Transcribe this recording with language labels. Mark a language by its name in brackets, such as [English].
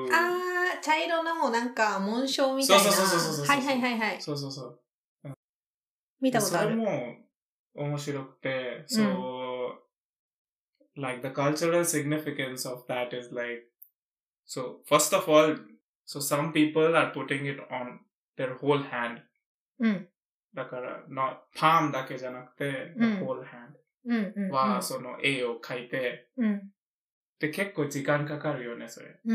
[Japanese] あー茶色のなんか紋章みたいな。そうそうそうそう。はいはいはいはい。そうそうそう。見たことある。それも面白くて、 [English] so, like the cultural significance of that is like, so first of all, so some people are putting it on their whole hand. [Japanese] だから、 [English] not palm [Japanese] だけじゃなくて、 [English] the whole hand. [Japanese] はその絵を描いて、で結構時間かかるよね、それ。